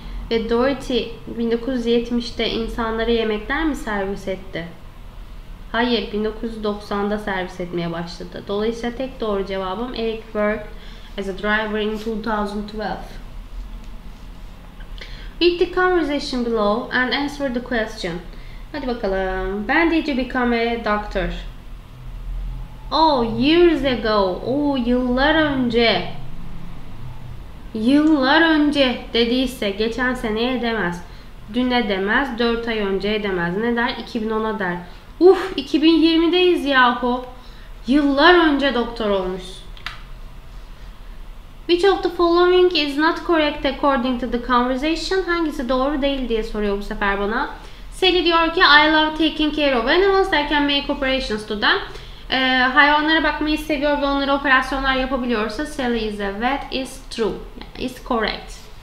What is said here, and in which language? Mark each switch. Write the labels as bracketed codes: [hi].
[tr] Ve Dorothy 1970'te insanlara yemekler mi servis etti? Hayır, 1990'da servis etmeye başladı. Dolayısıyla tek doğru cevabım [en] Eric worked as a driver in 2012. Read the conversation below and answer the question. [tr] Hadi bakalım. [en] When did you become a doctor? Oh, years ago. [tr] Oh, yıllar önce. Yıllar önce dediyse geçen seneye demez. Düne demez, 4 ay önce demez. Ne der? 2010'a der. Uf, 2020'deyiz yahu. Yıllar önce doktor olmuş. [en] Which of the following is not correct according to the conversation? [tr] Hangisi doğru değil diye soruyor bu sefer bana. Sally diyor ki [en] I love taking care of animals. I can make operations to them. [tr] Hayvanlara bakmayı seviyor ve onlara operasyonlar yapabiliyorsa [en] Sally is a vet is true. Is correct.